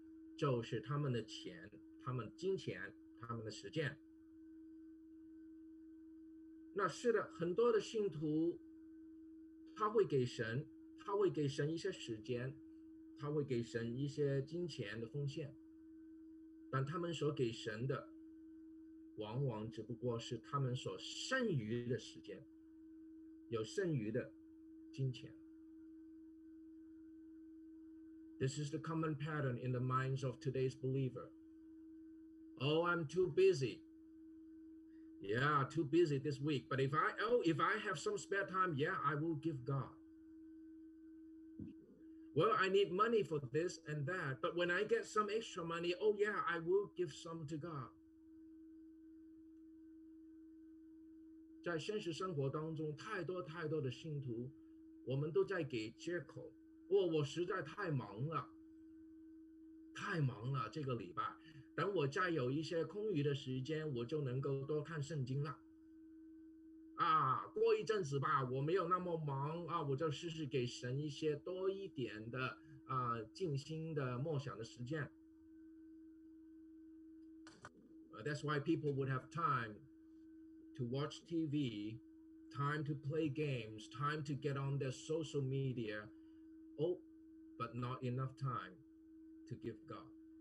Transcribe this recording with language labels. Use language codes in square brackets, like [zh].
[zh] 在每日的生活里面，大部分的人来说，最宝贵的就是他们的钱，他们金钱。他们的时间，那是的，很多的信徒，他会给神一些时间，他会给神一些金钱的奉献，但他们所给神的，往往只不过是他们所剩余的时间，有剩余的金钱。 [en] This is the common pattern in the minds of today's believer. Oh, I'm too busy. Yeah, too busy this week. But if I have some spare time, yeah, I will give God. well, I need money for this and that, but when I get some extra money, oh yeah, I will give some to God. [zh] 在现实生活当中，太多太多的信徒，我们都在给借口。我实在太忙了，太忙了，这个礼拜，等我再有一些空余的时间，我就能够多看圣经了。啊，过一阵子吧，我没有那么忙啊，我就试试给神一些多一点的啊静心的默想的时间。 [en] That's why people would have time to watch TV, time to play games, time to get on their social media, oh, but not enough time to give God.